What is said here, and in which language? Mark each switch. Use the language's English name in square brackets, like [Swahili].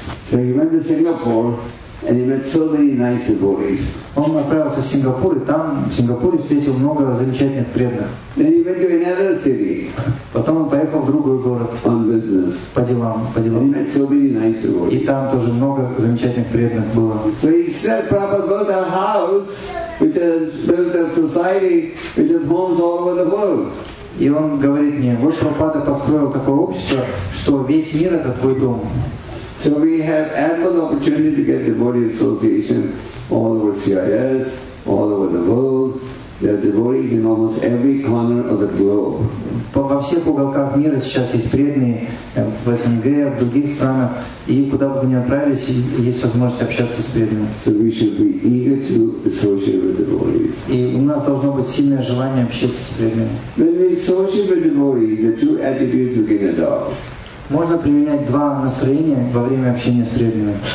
[English] So he went to Singapore And he met so many nice devotees. [Russian] Он отправился в Сингапур, и там, в Сингапуре, встретил много замечательных преданных. [English] Then he went to another city. [Russian] Потом он поехал в другой город. [English] On business. [Russian] По делам. [English] And he met so many nice devotees. [Russian] И там тоже много замечательных преданных было. [English] So he said, Prabhupada built a house, which has built a society, which has homes all over the world. [Russian] И он говорит мне, вот Прабхупада построил такое общество, что весь мир — это твой дом. [English] So we have ample opportunity to get devotee association all over CIS, all over the world. There are devotees in almost every corner of the globe. [Russian] Во всех уголках мира сейчас есть преданные, в СНГ, в других странах, и куда бы вы ни отправились, есть возможность общаться с преданными. [English] So we should be eager to associate with devotees. [Russian] И у нас должно быть сильное желание общаться с преданными. [English] When we associate with devotees, the two attributes we can adopt. [Russian] Можно применять два настроения во время общения с преданными.